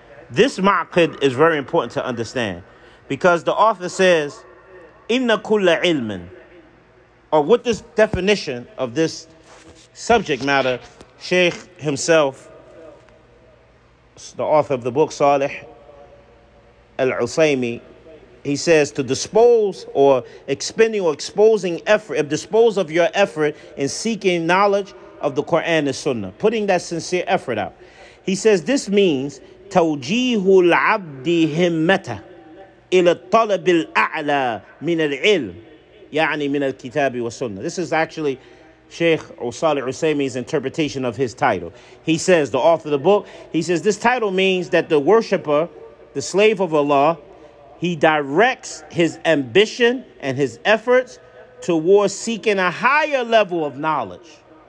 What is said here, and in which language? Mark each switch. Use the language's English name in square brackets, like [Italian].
[English] This ma'qid is very important to understand because the author says, "Inna kulla ilmin," or what this definition of this subject matter, Sheikh himself, the author of the book, Salih Al-Usaymi, he says, to dispose or expending or exposing effort, dispose of your effort in seeking knowledge of the Quran and Sunnah, putting that sincere effort out. He says, this means [Arabic] توجيه العبد همته إلى الطلب الأعلى من العلم يعني من الكتاب والسنة. [English] This is actually Sheikh Salih Usaymi's interpretation of his title. He says, the author of the book, he says, this title means that the worshipper, the slave of Allah, he directs his ambition and his efforts towards seeking a higher level of knowledge.